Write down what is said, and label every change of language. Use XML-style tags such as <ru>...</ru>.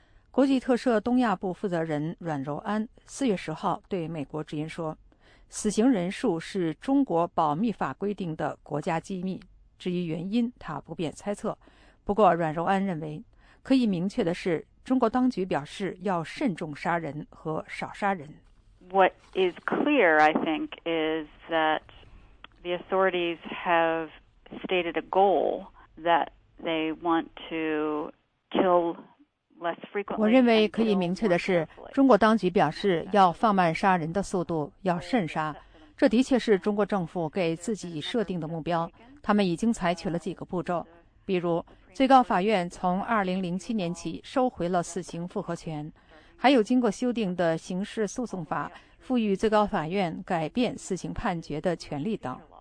<zh>国际特赦东亚部负责人阮柔安4月10号对美国之音说，死刑人数是中国保密法规定的国家机密，至于原因他不便猜测。不过阮柔安认为，可以明确的是，中国当局表示要慎重杀人和少杀人。</zh> <en>What is clear, I think, is that the authorities have stated a goal that they want to kill less frequently.</en> <zh>我认为可以明确的是，中国当局表示要放慢杀人的速度，要慎杀。这的确是中国政府给自己设定的目标。他们已经采取了几个步骤，比如最高法院从2007年起收回了死刑复核权，还有经过修订的刑事诉讼法赋予最高法院改变死刑判决的权利等。</zh>